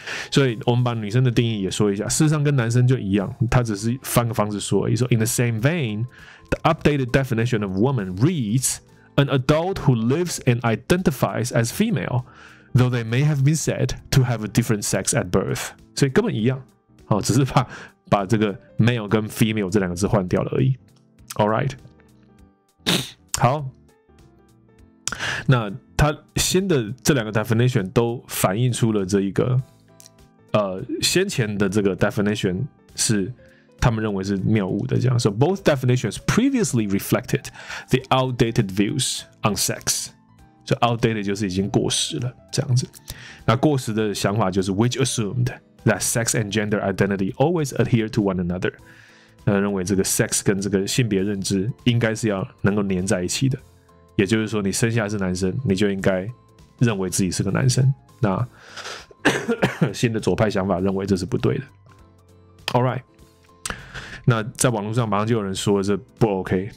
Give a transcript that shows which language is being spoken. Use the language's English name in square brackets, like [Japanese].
[Chinese] 所以我们把女生的定义也说一下，事实上跟男生就一样，他只是换个方式说而已。说 [English] in the same vein， the updated definition of woman reads an adult who lives and identifies as female， though they may have been said to have a different sex at birth。 [Chinese] 所以根本一样，只是把这个 male 跟 female 这两个字换掉了而已。 Alright， 好，那他新的这两个 definition 都反映出了这一个先前的这个 definition 是他们认为是谬误的，这样。 [English] So both definitions previously reflected the outdated views on sex. So outdated [Chinese] 就是已经过时了，这样子。那过时的想法就是 [English] which assumed that sex and gender identity always adhere to one another. [Chinese] 认为这个 sex 跟这个性别认知应该是要能够粘在一起的。也就是说，你生下来是男生，你就应该认为自己是个男生。那新的左派想法认为这是不对的。 All right， 那在网络上马上就有人说这不 OK。